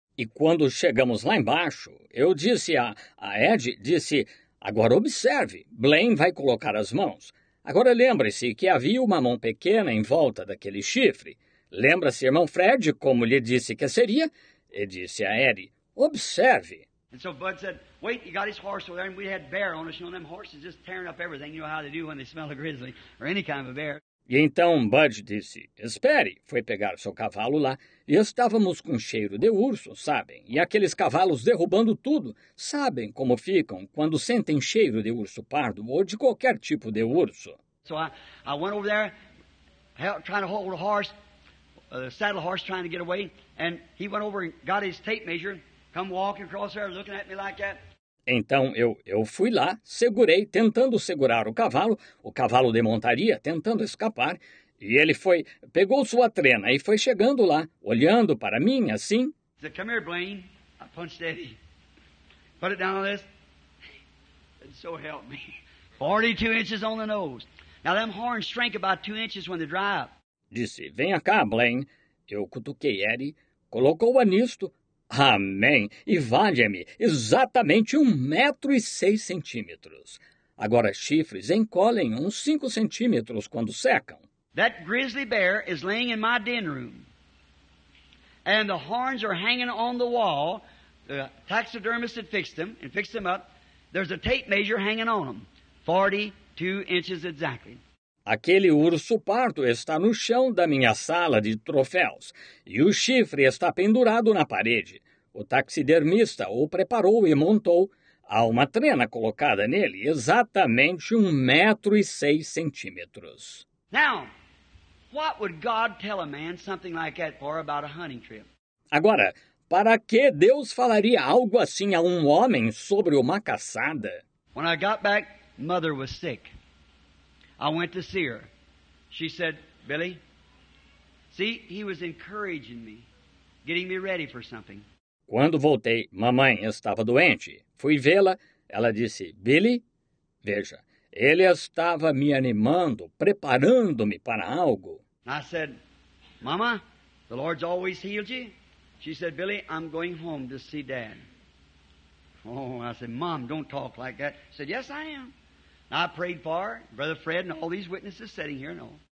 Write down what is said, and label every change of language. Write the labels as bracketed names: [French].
[Portuguese] E quando chegamos lá embaixo, eu disse a Ed, disse, agora observe, Blaine vai colocar as mãos. Agora lembre-se que havia uma mão pequena em volta daquele chifre. Lembra-se, irmão Fred, como lhe disse que seria? E disse a Ed, observe. [English] And so Bud said, wait, you got his horse over there, and we had bear on us, you know, them horses just tearing up everything, you know how they do when they smell a grizzly, or any kind of a bear. [Portuguese] E então Bud disse, espere, foi pegar seu cavalo lá, e estávamos com cheiro de urso, sabem, e aqueles cavalos derrubando tudo, sabem como ficam quando sentem cheiro de urso pardo ou de qualquer tipo de urso. [English] So I went over there, trying to hold a horse, a saddle horse trying to get away, and he went over and got his tape measure. Come walking across there, looking at me like that. [Portuguese] Então eu fui lá, segurei, tentando segurar o cavalo de montaria, tentando escapar, e ele foi, pegou sua trena e foi chegando lá, olhando para mim, assim. [English] He said, come here, Blaine. I punched Eddie. Put it down on this. And so help me. 42 inches on the nose. Now them horns shrink about 2 inches when they dry up. [Portuguese] Disse, venha cá, Blaine. Eu cutuquei Eddie, colocou o anisto. Amém. E valha-me, exatamente 1,06 metros. Agora, chifres encolhem uns 5 centímetros quando secam. [English] That grizzly bear is laying in my den room. And the horns are hanging on the wall. The taxidermist had fixed them and fixed them up. There's a tape measure hanging on them. 42 inches exactly. [Portuguese] Aquele urso pardo está no chão da minha sala de troféus e o chifre está pendurado na parede. O taxidermista o preparou e montou. Há uma trena colocada nele, exatamente 1,06 metros. [English] Now, what would God tell a man something like that for about a hunting trip? [Portuguese] Agora, para que Deus falaria algo assim a um homem sobre uma caçada? [English] When I got back, mother was sick. I went to see her. She said, Billy, see, he was encouraging me, getting me ready for something. [Portuguese] Quando voltei, mamãe estava doente. Fui vê-la. Ela disse, Billy, veja, ele estava me animando, preparando-me para algo. [English] I said, Mama, the Lord's always healed you. She said, Billy, I'm going home to see Dad. Oh, I said, Mom, don't talk like that. She said, yes, I am. I prayed for her, Brother Fred and all these witnesses sitting here and all.